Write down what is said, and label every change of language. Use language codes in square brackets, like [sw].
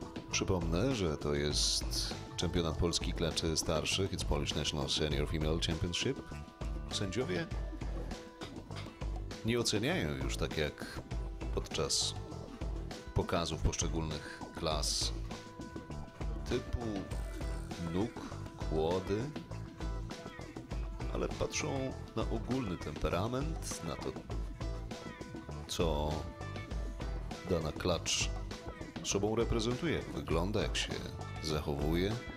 [pl] Przypomnę, że to jest Czempionat Polski Klaczy Starszych. [en] It's Polish National Senior Female Championship. [pl] Sędziowie nie oceniają już tak jak podczas pokazów poszczególnych klas typu nóg, kłody, ale patrzą na ogólny temperament, na to, co dana klacz sobą reprezentuje, jak wygląda, jak się zachowuje.